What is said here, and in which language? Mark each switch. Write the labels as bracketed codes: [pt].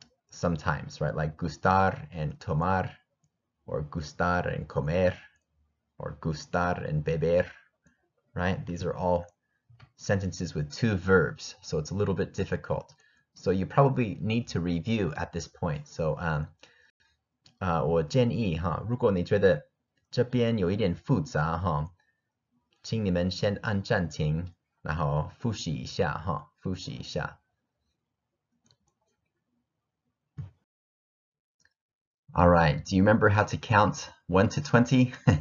[en] sometimes, right? Like gustar and tomar, or gustar and comer, or gustar and beber, right? These are all sentences with two verbs, so it's a little bit difficult. So you probably need to review at this point. [zh] So, 我建议哈，如果你觉得这边有一点复杂哈，请你们先按暂停，然后复习一下哈，复习一下。 [en] All right, do you remember how to count 1 to 20?